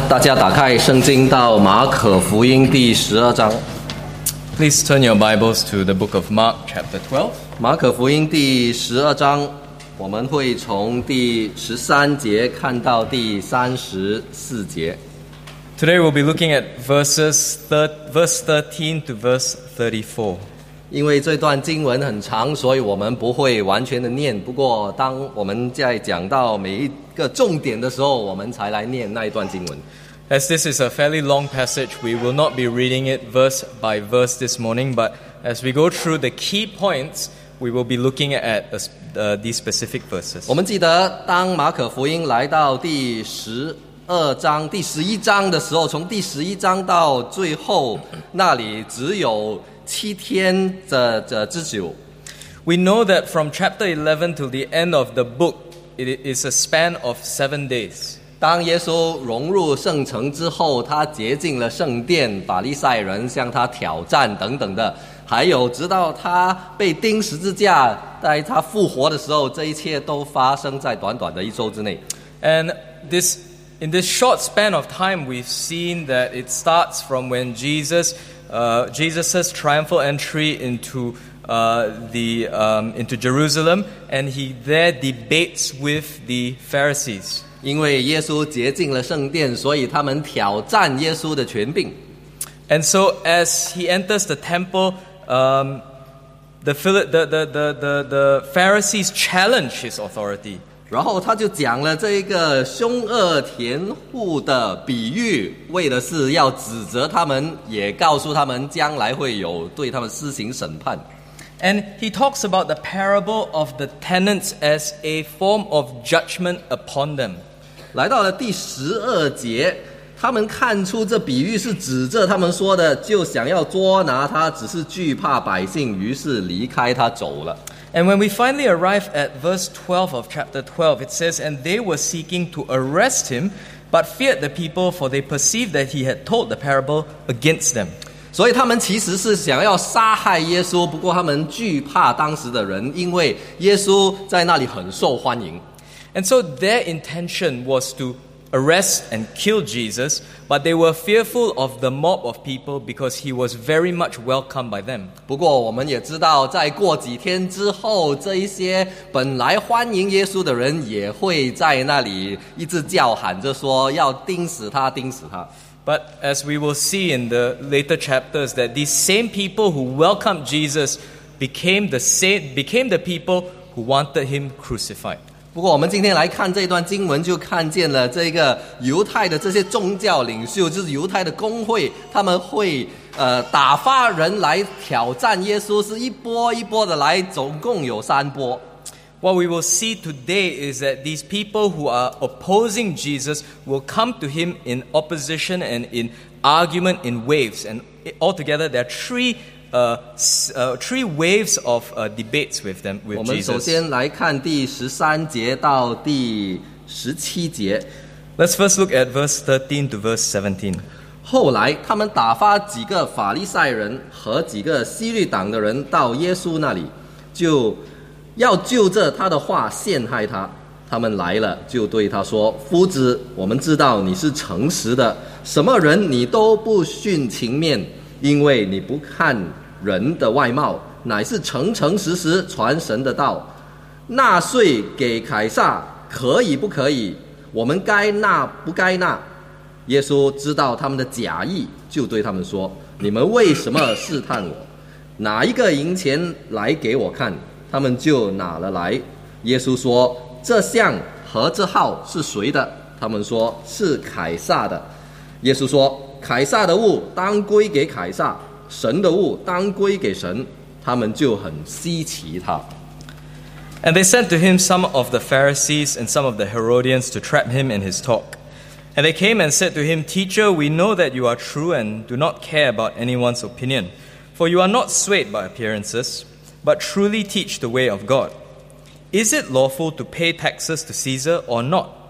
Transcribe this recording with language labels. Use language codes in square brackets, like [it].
[zh] 大家打开圣经到马可福音第十二章。 [en] Please turn your Bibles to the book of Mark, chapter 12. [zh] 马可福音第十二章，我们会从第十三节看到第三十四节。 [en] Today we'll be looking at verse 13 to verse 34. [zh] 因为这段经文很长，所以我们不会完全的念，不过当我们在讲到每一个重点的时候，我们才来念那一段经文。 [en] As this is a fairly long passage, we will not be reading it verse by verse this morning, but as we go through the key points, we will be looking at these specific verses. [zh] 我们记得当马可福音来到第十二章、第十一章的时候，从第十一章到最后那里只有七天之久。 [en] We know that from chapter 11 till the end of the book,It is a span of 7 days. [zh] 当耶稣融入圣城之后，他洁净了圣殿，法利赛人向他挑战等等的，还有直到他被钉十字架，在他复活的时候，这一切都发生在短短的一周之内。 [en] And this, in this short span of time, we've seen that it starts from when Jesus's triumphal entry into Jerusalem, and he there debates with the Pharisees. [zh] 因为耶稣洁净了圣殿，所以他们挑战耶稣的权柄。 [en] And so as he enters the temple, the Pharisees challenge his authority. [zh] 然后他就讲了这个凶恶田户的比喻，为的是要指责他们，也告诉他们将来会有对他们施行审判。 [en] And he talks about the parable of the tenants as a form of judgment upon them. [zh] 来到了第十二节，他们看出这比喻是指着他们说的，就想要捉拿他，只是惧怕百姓，于是离开他走了。 [en] And when we finally arrive at verse 12 of chapter 12, it says, And they were seeking to arrest him, but feared the people, for they perceived that he had told the parable against them. [zh] 所以他们其实是想要杀害耶稣，不过他们惧怕当时的人，因为耶稣在那里很受欢迎。 [en] And so their intention was to arrest and kill Jesus, but they were fearful of the mob of people because he was very much welcomed by them. [zh] 不过我们也知道，在过几天之后，这一些本来欢迎耶稣的人也会在那里一直叫喊着说要钉死他，钉死他。 [en] But as we will see in the later chapters, that these same people who welcomed Jesus became the people who wanted him crucified. [zh] 不过我们今天来看这段经文，就看见了这个犹太的这些宗教领袖，就是犹太的公会，他们会打发人来挑战耶稣，是一波一波的来，总共有三波。 [en] What we will see today is that these people who are opposing Jesus will come to him in opposition and in argument in waves. And altogether, there are three waves of debates with them, with Jesus. [zh] 我们首先来看第十三节到第十七节。 [en] Let's first look at verse 13 to verse 17. [zh] 后来他们打发几个法利赛人和几个西律党的人到耶稣那里，就要就着他的话陷害他。他们来了，就对他说：“夫子，我们知道你是诚实的，什么人你都不逊情面，因为你不看人的外貌，乃是诚诚实实传神的道。纳税给凯撒可以不可以？我们该纳不该纳？” 耶稣知道他们的假意，就对他们说：“你们为什么试探我？哪一个银钱来给我看？” 他们就拿了来，耶稣说：“这像和这号是谁的？” 他们说：“是凯撒的。” 耶稣说：“凯撒的物当归给凯撒，神的物当归给神。” 他们就很稀奇他。 [en] And they sent to him some of the Pharisees and some of the Herodians to trap him in his talk. And they came and said to him, Teacher, we know that you are true and do not care about anyone's opinion, for you are not swayed by appearances. But truly teach the way of God. Is it lawful to pay taxes to Caesar or not?